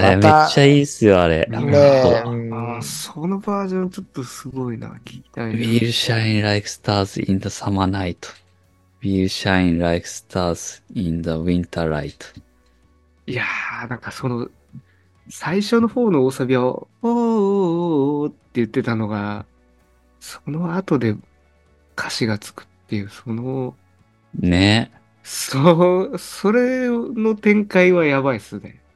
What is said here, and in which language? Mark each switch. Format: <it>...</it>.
<ja>いやーそれめっちゃいいっすよあれ、ね、そのバージョンちょっとすごいな、聞きたい。</ja> <en>We'll shine like stars in the summer night. We'll shine like stars in the winter light.</en> <ja>いやーなんかその最初の方の大サビをおーおーおーおーって言ってたのがその後で歌詞がつくっていう、その、ね。それの展開はやばいっすね。</ja>